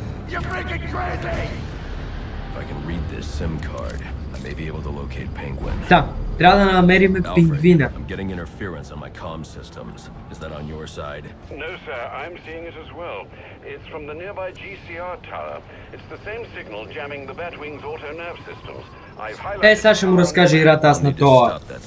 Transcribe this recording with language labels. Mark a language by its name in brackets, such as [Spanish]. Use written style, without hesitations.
[English] If I can read this SIM card, I may be able to locate Penguin. [Bulgarian] Так, трябва да намерим пингвина. [English] I'm getting interference on my comm systems. Is that on your side? No, sir. I'm seeing it as well. It's from the nearby GCR tower. It's the same signal jamming the Batwing's auto nerve systems. [Bulgarian] Е, сега ще му разкажа играта аз на тоа.